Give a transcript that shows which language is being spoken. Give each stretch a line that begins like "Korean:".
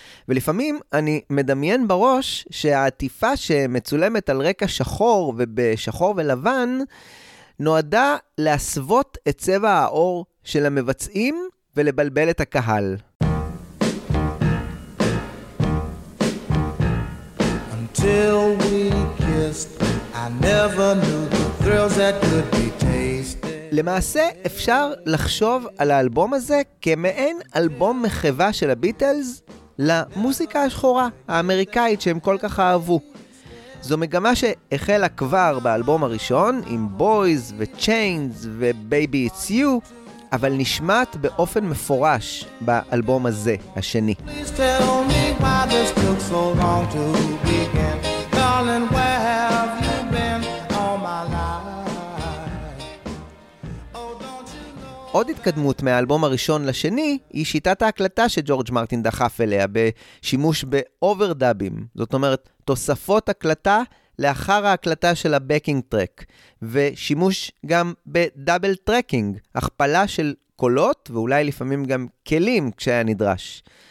Hebrew: ולפעמים אני מדמיין בראש שהעטיפה שמצולמת על רקע שחור ובשחור ולבן, נועדה להסוות את צבע האור של המבצעים ולבלבל את הקהל.
English: Until we kissed, I never knew the thrills that could be tasted.
Hebrew: למעשה אפשר לחשוב על האלבום הזה כמעין אלבום מחווה של הביטלס למוזיקה השחורה האמריקאית שהם כל כך אהבו. זו מגמה שהחלה כבר באלבום הראשון עם Boys ו-Chains ו-Baby It's You, אבל נשמעת באופן מפורש באלבום הזה, השני.
English: Please tell me why this took so long to begin. Darling, where have you been all my life? Oh, don't you know...
Hebrew: עוד התקדמות מהאלבום הראשון לשני היא שיטת ההקלטה שג'ורג' מרטין דחף אליה בשימוש באוברדאבים. זאת אומרת, תוספות הקלטה לאחר ההקלטה של הבקינג טרק, ושימוש גם בדאבל טרקינג, הכפלה של קולות ואולי לפעמים גם כלים כשהיה נדרש.